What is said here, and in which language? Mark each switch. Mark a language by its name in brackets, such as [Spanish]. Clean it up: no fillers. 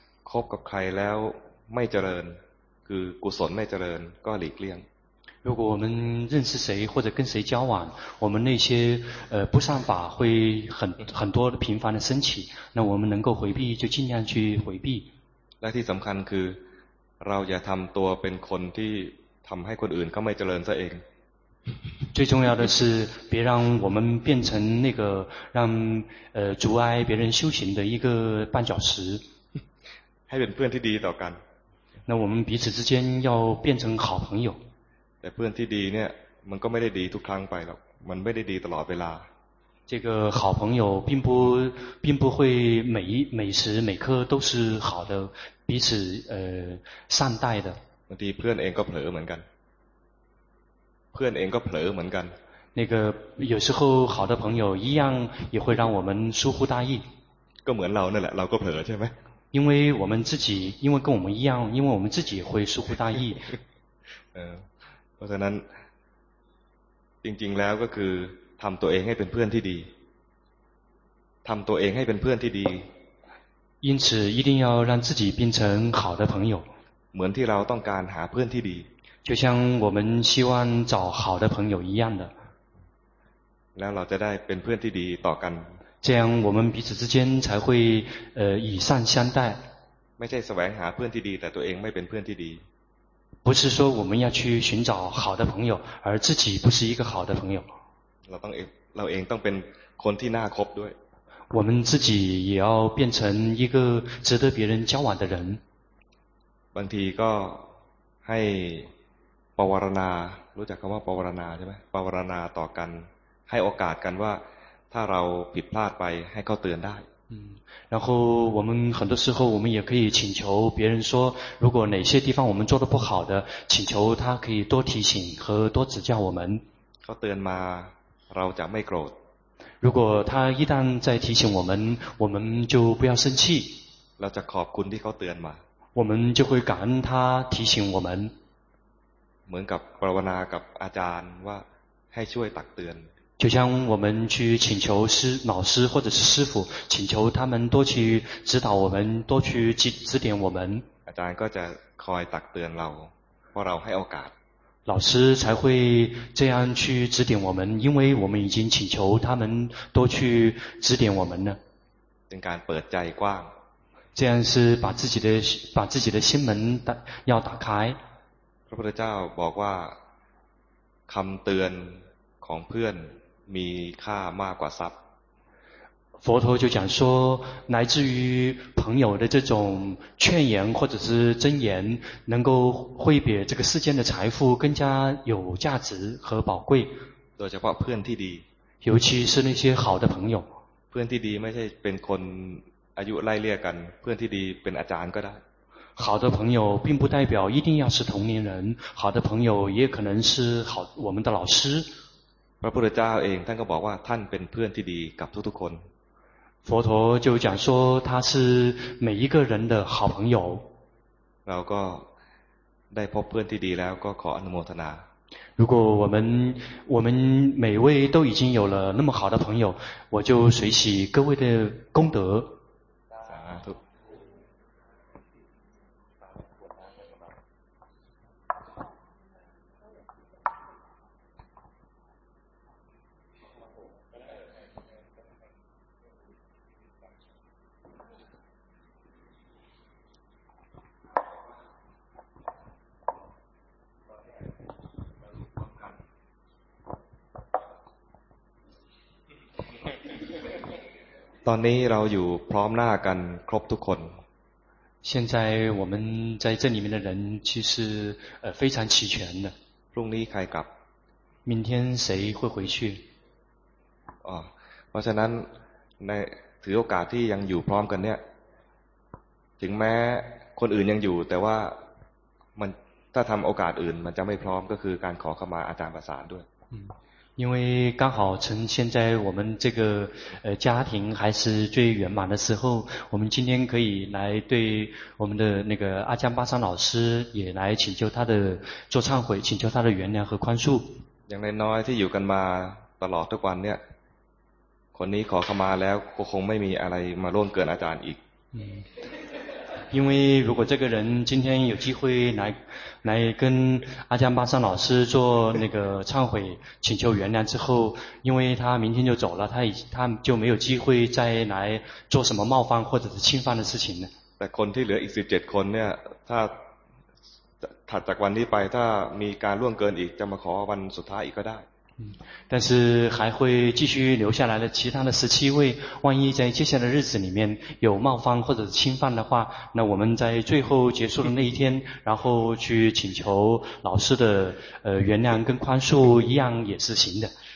[Thai] คบกับใครแล้วไม่เจริญคือกุศลไม่เจริญก็หลีกเลี่ยง。 [Chinese] 如果我们认识谁或者跟谁交往，我们那些不善法会很多的频繁的升起，那我们能够回避就尽量去回避。 [Thai] และที่สำคัญคือเราอย่าทำตัวเป็นคนที่ทำให้คนอื่นเขาไม่เจริญซะเอง [Chinese] 最重要的是别让我们变成那个让阻碍别人修行的一个绊脚石 [Thai] ให้เป็นเพื่อนที่ดีต่อกัน [Chinese] 那我们彼此之间要变成好朋友 [Thai] แต่เพื่อนที่ดีเนี่ยมันก็ไม่ได้ดีทุกครั้งไปหรอกมันไม่ได้ดีตลอดเวลา [Chinese] 这个好朋友并不会每时每刻都是好的彼此善待的 [Thai] บางทีเพื่อนเองก็เผลอเหมือนกันเพื่อนเองก็เผลอเหมือนกัน [Chinese] 那个有时候好的朋友一样也会让我们疏忽大意 [Thai] ก็เหมือนเรานั่นแหละเราก็เผลอใช่ไหม [Chinese] 因为我们自己因为跟我们一样因为我们自己会疏忽大意 [Thai] เพราะฉะนั้นจริงๆแล้วก็คือทำตัวเองให้เป็นเพื่อนที่ดีทำตัวเองให้เป็นเพื่อนที่ดี [Chinese] 因此一定要让自己变成好的朋友 [Thai] เหมือนที่เราต้องการหาเพื่อนที่ดี [Chinese] 就像我们希望找好的朋友一样的 [Thai] แล้วเราจะได้เป็นเพื่อนที่ดีต่อกัน [Chinese] 这样我们彼此之间才会以善相待 [Thai] ไม่ใช่แสวงหาเพื่อนที่ดีแต่ตัวเองไม่เป็นเพื่อนที่ดี [Chinese] 不是说我们要去寻找好的朋友而自己不是一个好的朋友 [Thai] เราเองต้องเป็นคนที่น่าคบด้วย [Chinese] 我们自己也要变成一个值得别人交往的人 [Thai] บางทีก็ให้ปวารณารู้จักคำว่าปวารณาใช่ไหมปวารณาต่อกันให้โอกาสกันว่าถ้าเราผิดพลาดไปให้เขาเตือนได้ [Chinese] 然后我们很多时候我们也可以请求别人说如果哪些地方我们做得不好的请求他可以多提醒和多指教我们 [Thai] เขาเตือนมาเราจะไม่โกรธ [Chinese] 如果他一旦再提醒我们就不要生气 [Thai] เราจะขอบคุณที่เขาเตือนมา [Chinese] 我们就会感恩他提醒我们 [Thai] เหมือนกับภาวนากับอาจารย์ว่าให้ช่วยตักเตือน [Chinese] 就像我们去请求师老师或者是师父请求他们多去指导我们多去指点我们 [Thai] อาจารย์ก็จะคอยตักเตือนเราเพราะเราให้โอกาส [Chinese] 老师才会这样去指点我们因为我们已经请求他们多去指点我们了 [Thai] เป็นการเปิดใจกว้าง [Chinese] 这样是把自己的心门要打开 [Thai] พระพุทธเจ้าบอกว่าคำเตือนของเพื่อนมีค่ามากกว่าทรัพย์ [Chinese] 佛陀就讲说来自于朋友的这种劝言或者是真言能够会比这个世间的财富更加有价值和宝贵 [Thai] โดยเฉพาะเพื่อนที่ดี [Chinese] 尤其是那些好的朋友 [Thai] เพื่อนที่ดีไม่ใช่เป็นคนอายุไล่เลี่ยกันเพื่อนที่ดีเป็นอาจารย์ก็ได้ [Chinese] 好的朋友并不代表一定要是同龄人好的朋友也可能是好我们的老师 [Thai] พระพุทธเจ้าเองท่านก็บอกว่าท่านเป็นเพื่อนที่ดีกับทุกๆคน [Chinese] 佛陀就讲说他是每一个人的好朋友 [Thai] เราก็ได้พบเพื่อนที่ดีแล้วก็ขออนุโมทนา [Chinese] 如果我们每位都已经有了那么好的朋友我就随喜各位的功德 [Thai] ตอนนี้เราอยู่พร้อมหน้ากันครบทุกคน [Chinese] 现在我们在这里面的人其实非常齐全的 [Thai] พรุ่งนี้ใครกลับ [Chinese] 明天谁会回去 [Thai] เพราะฉะนั้นในถือโอกาสที่ยังอยู่พร้อมกันเนี่ยถึงแม้คนอื่นยังอยู่แต่ว่ามันถ้าทำโอกาสอื่นมันจะไม่พร้อมก็คือการขอเข้ามาอาจารย์ประสานด้วย [Chinese] 因为刚好趁现在我们这个家庭还是最圆满的时候，我们今天可以来对我们的那个阿江巴桑老师也来请求他的做忏悔，请求他的原谅和宽恕。 [Thai] อย่างน้อยที่อยู่กันมาตลอดทุกวันเนี่ยคนนี้ขอเข้ามาแล้วก็คงไม่มีอะไรมาล่วงเกินอาจารย์อีก [Chinese] 因为如果这个人今天有机会来跟阿江巴桑老师做那个忏悔请求原谅之后因为他明天就走了他就没有机会再来做什么冒犯或者是侵犯的事情了 [Thai] แต่คนที่เหลืออีก17คนเนี่ยถ้าถัดจากวันนี้ไปถ้ามีการล่วงเกินอีกจะมาขอวันสุดท้ายอีกก็ได้ [Chinese] 但是还会继续留下来的其他的十七位，万一在接下来的日子里面有冒犯或者侵犯的话，那我们在最后结束的那一天，然后去请求老师的原谅跟宽恕一样也是行的。